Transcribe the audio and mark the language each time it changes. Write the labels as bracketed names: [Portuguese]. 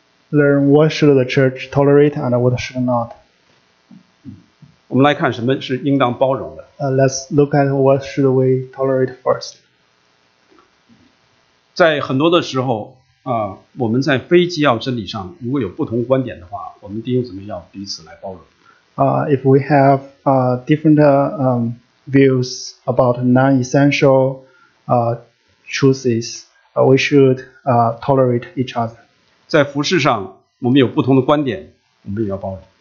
[English] Learn what should the church tolerate and what should not. [Chinese] 我们来看什么是应当包容的。 [English] Let's look at what should we tolerate first. [Chinese] 在很多的时候我们在非基要真理上如果有不同观点的话，我们弟兄姊妹要彼此来包容。 [English] If we have different views about non-essential choices, we should tolerate each other. [Chinese] 在服事上我们有不同的观点，我们也要包容。